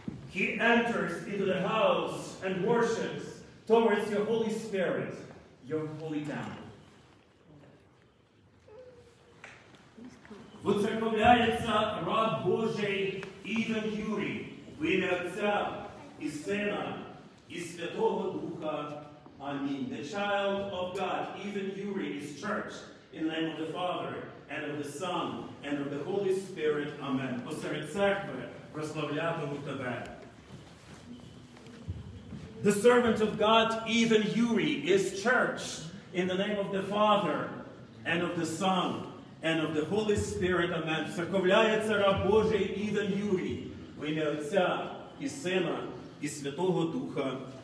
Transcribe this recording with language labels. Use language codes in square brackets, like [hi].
[en] He enters into the house and worships towards your Holy Spirit, your Holy Temple. [uk] Воцерковляється раб Божий Івен Юрій в ім'я Отця і Сина і Святого Духа. Амінь. [en] The child of God, Івен Юрій, is church in the name of the Father, and of the Son, and of the Holy Spirit. [uk] Амін. Посеред церкви прославлятиму тебе. [en] The servant of God, Івен Юрій, is church in the name of the Father, and of the Son, and of the Holy Spirit. Amen. [uk] Церковляється раб Божий Івен Юрій в ім'я Отця і Сина і Святого Духа.